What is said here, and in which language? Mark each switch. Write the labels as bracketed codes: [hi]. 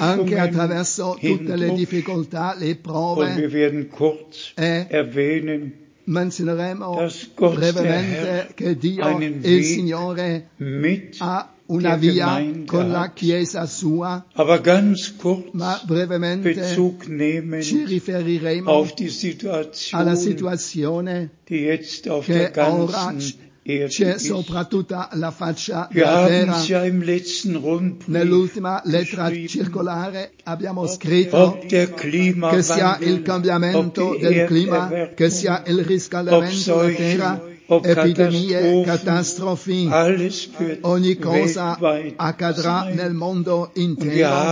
[it] anche attraverso tutte le difficoltà, le prove, [de] und wir werden kurz erwähnen, [it] menzioneremo brevemente che Dio, il Signore, ha una via con la Chiesa sua, [de] aber ganz kurz [it] ma brevemente [de] Bezug nehmen [it] ci riferiremo [de] auf die Situation, [it] alla situazione [de] die jetzt auf [it] che [de] der ganzen [it] ora c'è sopra tutta la faccia della terra. Nell'ultima lettera circolare abbiamo scritto che sia il cambiamento del clima, che sia il riscaldamento della terra, epidemie, catastrofi, ogni cosa accadrà nel mondo intero.